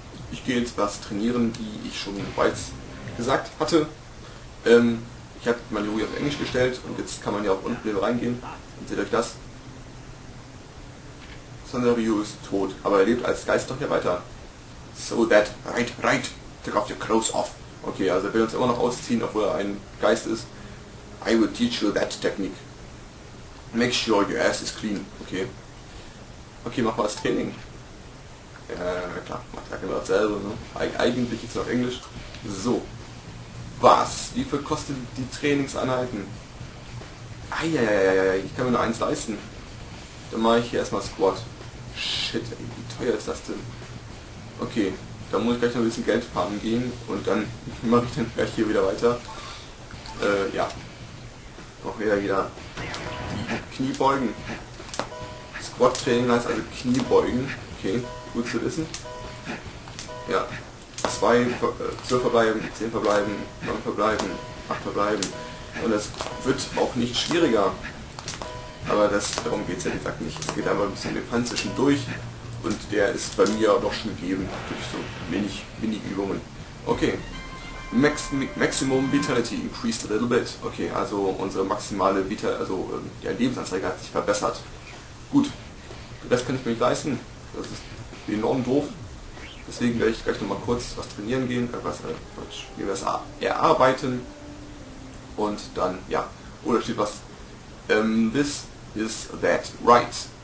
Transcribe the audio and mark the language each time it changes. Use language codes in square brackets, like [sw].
[de] Ich gehe jetzt was trainieren, wie ich schon bereits gesagt hatte. Ich habe meine Logik auf Englisch gestellt und jetzt kann man ja auch unten wieder reingehen. Und seht euch das. Sanrio ist tot, aber er lebt als Geist doch hier weiter. [en] So that, right, take off your clothes off. [de] Okay, also er will uns immer noch ausziehen, obwohl er ein Geist ist. [en] I will teach you that technique. Make sure your ass is clean, okay. [de] Okay, mach mal das Training. Klar, macht ja genau dasselbe, ne? Eigentlich jetzt auf Englisch. So. Was? Wie viel kostet die Trainingseinheiten? Eieieiei, ich kann mir nur eins leisten. Dann mache ich hier erstmal Squat. Shit, ey, wie teuer ist das denn? Okay, da muss ich gleich noch ein bisschen Geld farmen gehen und dann mache ich den Berg hier wieder weiter. Ja. Auch wieder die Kniebeugen. Squat-Training heißt also Kniebeugen. Okay, gut zu wissen. Ja. 12 verbleiben, 10 verbleiben, 9 verbleiben, 8 verbleiben. Und das wird auch nicht schwieriger. Aber darum geht es ja, wie gesagt, nicht. Es geht einfach ein bisschen mit Panzischen durch. Und der ist bei mir doch schon gegeben, durch so wenig Mini-Übungen. Okay, [en] Maximum Vitality increased a little bit. [de] Okay, also unsere maximale Lebensanzeige hat sich verbessert. Gut, das kann ich mir nicht leisten. Das ist enorm doof. Deswegen werde ich gleich nochmal kurz was trainieren gehen, was erarbeiten. Und dann, ja, oder steht was? [en] This is that right.